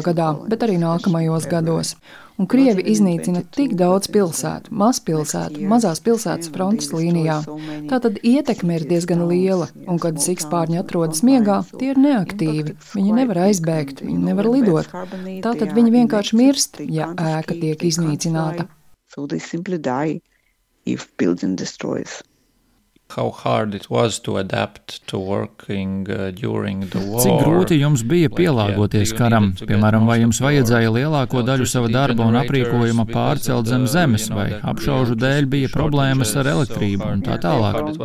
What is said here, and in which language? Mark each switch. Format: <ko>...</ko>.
<lv>gadā, bet arī nākamajos gados. Un krievi iznīcina tik daudz pilsētu, mazpilsētu, mazās pilsētas frontes līnijā. Tātad ietekme ir diezgan liela, un kad sikspārņi atrodas miegā, tie ir neaktīvi. Viņi nevar aizbēgt, viņi nevar lidot. Tātad viņi vienkārši mirst, ja ēka tiek iznīcināta.</lv> <en>So they simply die if building destroys. How hard it was to adapt to working during the war.</en> <lv>Cik grūti jums bija pielāgoties karam? Piemēram, vai jums vajadzēja lielāko daļu sava darba un aprīkojuma pārcelt zem zemes, vai apšaužu dēļ bija problēmas ar elektrību un tā tālāk?</lv>